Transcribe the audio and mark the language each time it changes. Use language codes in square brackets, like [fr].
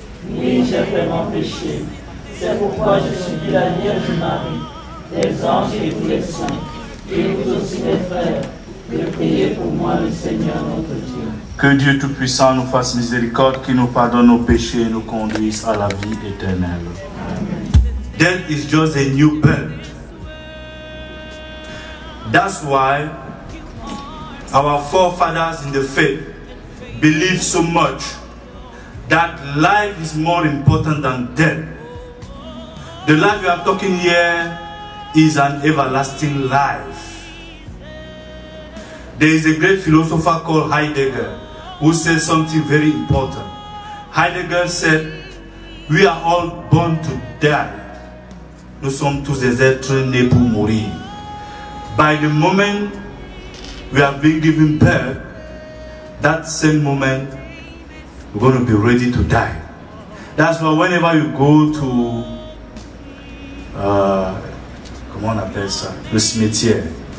[fr] Oui, j'ai vraiment péché. C'est pourquoi je subis la Vierge Marie, les anges et tous les saints, et vous aussi les frères, de prier pour moi le Seigneur notre Dieu. Que Dieu Tout-Puissant nous fasse miséricorde, qu'il nous pardonne nos péchés et nous conduise à la vie éternelle. [en] Amen. There is just a new birth. That's why our forefathers in the faith believe so much that life is more important than death. The life we are talking here is an everlasting life. There is a great philosopher called Heidegger who said something very important. Heidegger said, we are all born to die. [fr] Nous sommes tous des êtres nés pour mourir. [en] By the moment we have been given birth, that same moment, we're going to be ready to die. That's why whenever you go to, the cimetière.